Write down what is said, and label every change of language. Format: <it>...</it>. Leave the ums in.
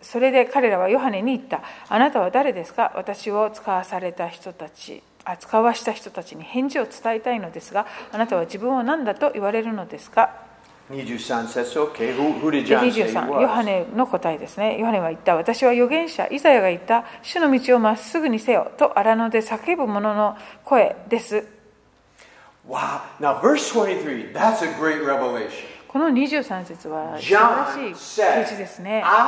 <ja>それで彼らはヨハネに言った。あなたは誰ですか私を使わされた人たち、使わした人たちに返事を伝えたいのですが、あなたは自分を何だと言われるのですか 23節を敬語、フリジャンス23、ヨハネの答えですね。ヨハネは言った、私は預言者、イザヤが言った、主の道をまっすぐにせよと荒野で叫ぶ者の声です。</ja> <en>Wow. Now, verse 23, that's a great revelation.</en> <ja>この23節は素晴らしい記事ですね。</ja>